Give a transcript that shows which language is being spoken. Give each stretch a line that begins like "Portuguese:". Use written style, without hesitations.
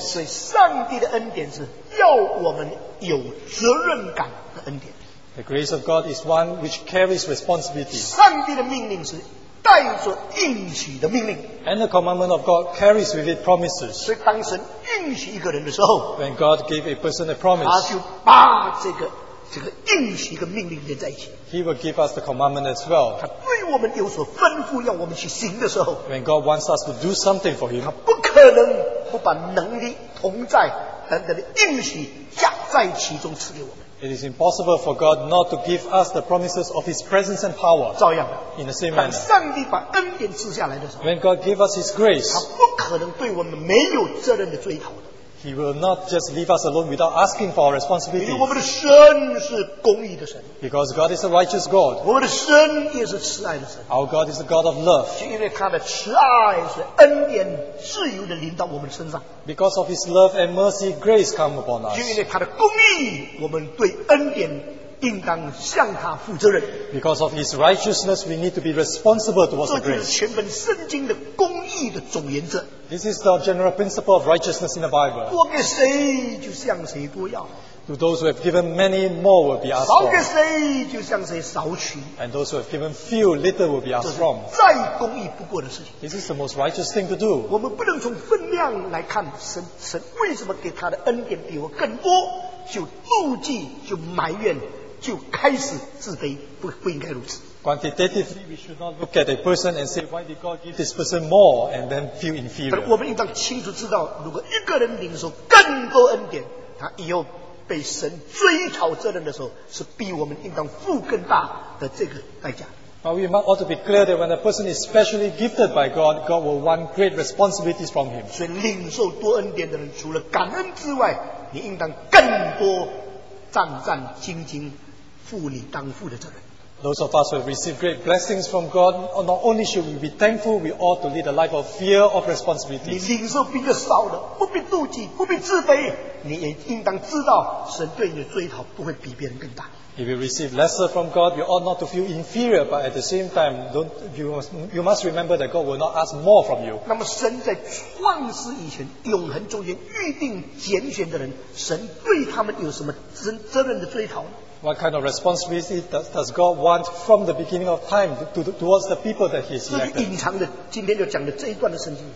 Chinese: So, 上帝的恩典是要我们有责任感的恩典。
English: The grace of God is one which carries responsibility.
Chinese: 上帝的命令是带着应许的命令。
English: And the commandment of God carries with it promises.
Chinese: 所以当神应许一个人的时候
English: ，When God gave a person a promise,
Chinese: 他就把这个应许的命令连在一起。
English: He will give us the commandment as well.
Chinese: 他对我们有所吩咐，要我们去行的时候
English: ，When God wants us to do something for Him,
Chinese: 他不可能不把能力同在等等的应许加在其中赐给我们。
English: It is impossible for God not to give us the promises of His presence and power.
Chinese: 照样的
English: In the same manner.
Chinese: 当上帝把恩典赐下来的时候
English: When God gives us His grace,
Chinese: 他不可能对我们没有责任的追讨的
English: He will not just leave us alone without asking for our responsibility.
Chinese: 因为我们的神是公义的神
English: Because God is a righteous God.
Chinese: 我们的神也是慈爱的神
English: Our God is a God of love.
Chinese: 是因为他的慈爱是恩典自由地临到我们身上
English: Because of His love and mercy, grace come upon us.
Chinese: 是因为他的公义我们对恩典应当向他负责任
English: Because of His righteousness, we need to be responsible towards the grace.
Chinese: 这是全本圣经的公义的总原则
English: This is the general principle of righteousness in the Bible.
Chinese: 多给谁就向谁多要
English: To those who have given many, more will be asked for.
Chinese: 少给谁就向谁少取
English: And those who have given few, little will be asked from.
Chinese: 再公义不过的事情
English: This is the most righteous thing to do.
Chinese: 我们不能从分量来看神为什么给他的恩典比我更多就妒忌就埋怨就开始自卑 不应该如此
English: Quantitatively we should not look at a person and say why did God give this person more and then feel inferior
Chinese: 但我们应当清楚知道如果一个人领受更多恩典他以后被神追讨责任的时候是比我们应当付更大的这个代价
English: But we ought to be clear that when a person is specially gifted by God God will want great responsibilities from him
Chinese: 所以领受多恩典的人除了感恩之外你应当更多战战兢兢负你当负的责任
English: Those of us who have received great blessings from God not only should we be thankful we ought to lead a life of fear of responsibility
Chinese: 你领受比较少的不必妒忌不必自卑你也应当知道神对你的追讨不会比别人更大
English: If you receive lesser from God you ought not to feel inferior but at the same time you must remember that God will not ask more from you
Chinese: 那么神在创世以前永恒中间预定拣选的人神对他们有什么责任的追讨呢
English: What kind of responsibility does God want from the beginning of time towards the people that he has elected
Chinese: 这是隐藏的今天要讲的这一段的圣经